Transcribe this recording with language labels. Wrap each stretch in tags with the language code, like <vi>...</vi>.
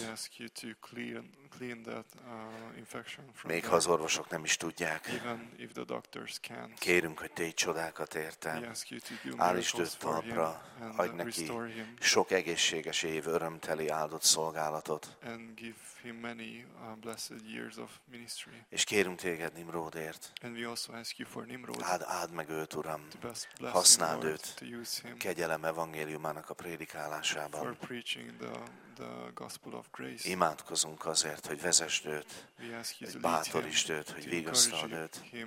<en>We ask you to clean, clean that infection from.</en> <hu>Még ha az orvosok nem is tudják.</hu> <en>Even if the doctors can't.</en> <hu>Kérünk, hogy tégy csodákat érte. Állítsd őt talpra, adj neki sok egészséges év, örömteli áldott szolgálatot.</hu> <en>And give him many blessed years of ministry.</en> <hu>És kérünk téged Nimródért.</hu> <en>And we also ask you for Nimród.</en> <hu>Áld meg őt, Uram. Használd őt. Kegyelem evangéliumának a prédikálásában.</hu> <en>For preaching the gospel of grace.</en> <hu>Imádkozunk azért, hogy vezesd őt, hogy bátorítsd őt, hogy vigasztald őt.</hu>